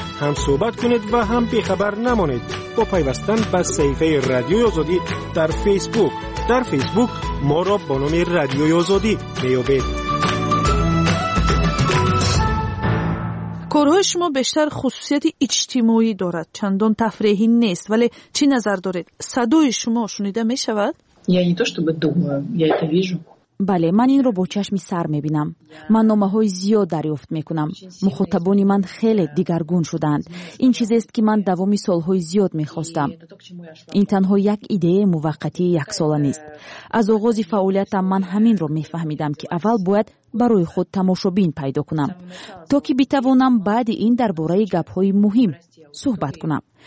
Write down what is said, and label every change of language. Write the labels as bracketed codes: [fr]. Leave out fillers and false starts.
[fa] هم صحبت کنید و هم بی‌خبر نمانید با پیوستن به صفحه رادیو آزادی در فیسبوک. در فیسبوک ما را با نام رادیو آزادی می‌یابید. کارهای شما بیشتر خصوصیت اجتماعی دارد، چندان تفریحی نیست، ولی چی نظر دارید؟ صدای شما شنیده می‌شود؟ [ru] یا не то чтобы думаю, я это вижу. [fa] بله، من این رو با چشمی سر میبینم. من نامه های زیاد دریافت میکنم. مخاطبان من خیلی دیگرگون شدند. این چیزی است که من دوامی سالهای زیاد میخواستم. این تنها یک ایده موقتی یک ساله نیست. از آغاز فعالیتم من همین رو میفهمیدم که اول باید برای خود تماشابین پیدا کنم تا که بتوانم بعد این درباره گپ های مهم صحبت کنم.